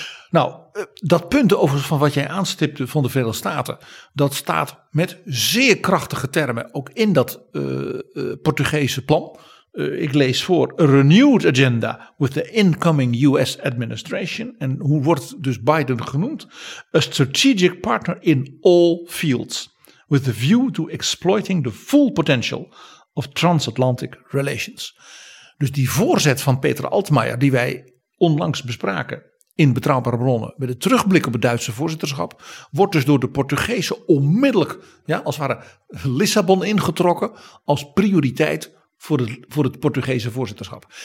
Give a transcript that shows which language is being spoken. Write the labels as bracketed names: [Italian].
[Dutch] Nou, dat punt overigens van wat jij aanstipte van de Verenigde Staten, dat staat met zeer krachtige termen ook in dat Portugese plan. Ik lees voor, [English] a renewed agenda with the incoming US administration. [Dutch] En hoe wordt dus Biden genoemd? [English] A strategic partner in all fields, with a view to exploiting the full potential of transatlantic relations. [Dutch] Dus die voorzet van Peter Altmaier, die wij onlangs bespraken in Betrouwbare Bronnen, met een terugblik op het Duitse voorzitterschap, wordt dus door de Portugezen onmiddellijk, ja, als het ware, Lissabon ingetrokken als prioriteit voor het Portugese voorzitterschap.